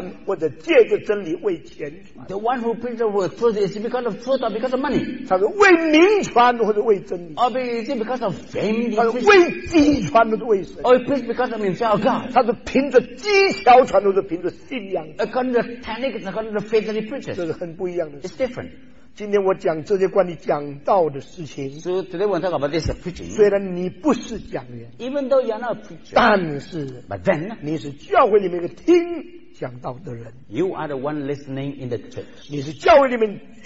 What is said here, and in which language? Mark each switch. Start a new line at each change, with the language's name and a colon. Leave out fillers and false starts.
Chinese: 一个人传真理的时候是为真理传，或者借着真理为钱传.
English: The one who preaches with truth is it because of truth or because of money?
Chinese: 他说为名传或者为真理.
English: Or is it because of fame?
Chinese: 他说为机传或者为神.
English: Or preach because of himself or God?
Chinese: 他说凭着机巧传或者凭着。
English: According to the technique, according to the faith that he preaches.
Chinese: 这是很不一样的事。
English: It's different.
Chinese: 今天我讲这些关于讲道的事情。
English: So today we talk about this preaching.
Chinese: 虽然你不是讲员。
English: Even though you're not a preacher.
Chinese: 但是。
English: But then.
Chinese: 你是教会里面一个听讲道的人。
English: You are the one listening in the church.